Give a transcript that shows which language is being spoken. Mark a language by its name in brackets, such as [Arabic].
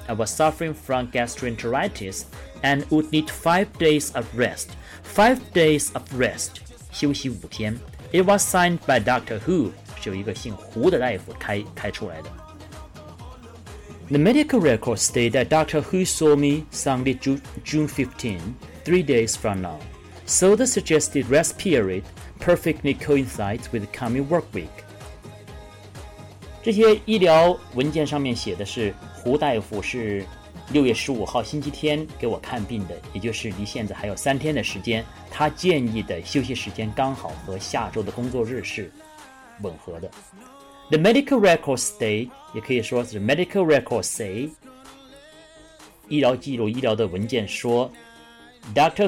[English] I was suffering from gastroenteritis and would need 5 days of rest. 5 days of rest, [Chinese] 休息五天。 [English] It was signed by Dr. [Chinese] Hu, 是有一个姓胡的大夫开出来的。 [English] The medical records state that Dr. Hu saw me Sunday June 15, 3 days from now. So the suggested rest period perfectly coincides with the coming work week. [Chinese] 这些医疗文件上面写的是胡大夫是6月15号星期天给我看病的，也就是离现在还有3天的时间，他建议的休息时间刚好和下周的工作日是吻合的。 [English] The medical records say, [Chinese] 也可以说是 [English] medical records say, [Chinese] 医疗记录医疗的文件说 [English] Dr.